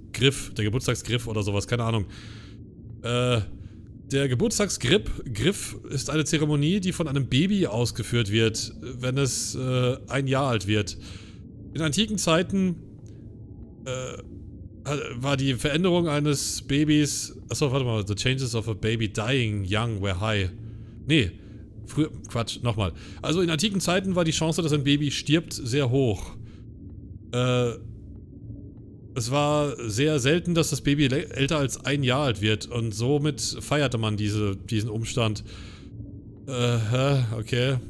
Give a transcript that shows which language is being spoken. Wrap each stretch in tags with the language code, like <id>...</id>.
<de>Griff, der Geburtstagsgriff oder sowas, keine Ahnung. Der Geburtstagsgriff ist eine Zeremonie, die von einem Baby ausgeführt wird, wenn es ein Jahr alt wird. In antiken Zeiten war die Veränderung eines Babys... Achso, warte mal.</de> <en>The changes of a baby dying young were high.</en> <de>Nee, früher... Quatsch, nochmal. Also in antiken Zeiten war die Chance, dass ein Baby stirbt, sehr hoch. Es war sehr selten, dass das Baby älter als ein Jahr alt wird. Und somit feierte man diesen Umstand. Okay.</de>